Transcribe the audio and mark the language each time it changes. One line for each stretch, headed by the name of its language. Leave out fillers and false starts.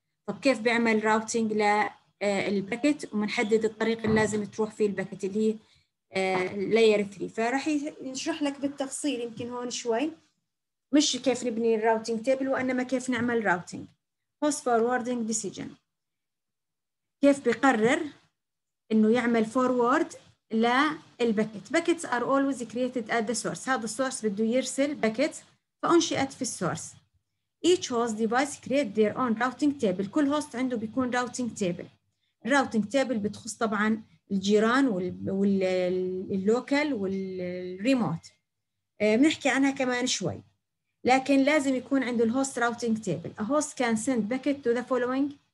Arabic: طب كيف بعمل راوتينج للباكيت ومنحدد الطريق اللي لازم تروح فيه الباكيت اللي هي لاير 3؟ فراح نشرح لك بالتفصيل يمكن هون شوي، مش كيف نبني الراوتينج تيبل وانما كيف نعمل راوتينج. هوست فوروردنج ديسيجن، كيف بقرر انه يعمل فورورد للباكيت.
English: packets are always created at the source,
Arabic: هذا السورس بده يرسل باكيت فانشئت في السورس.
English: Each host device create their own routing table.
Arabic: كل host عنده بيكون routing table. Routing table بتخص طبعا الجيران واللوكال والريموت. بنحكي عنها كمان شوي. لكن لازم يكون عنده الهوست routing table.
English: A host can send packet to the following.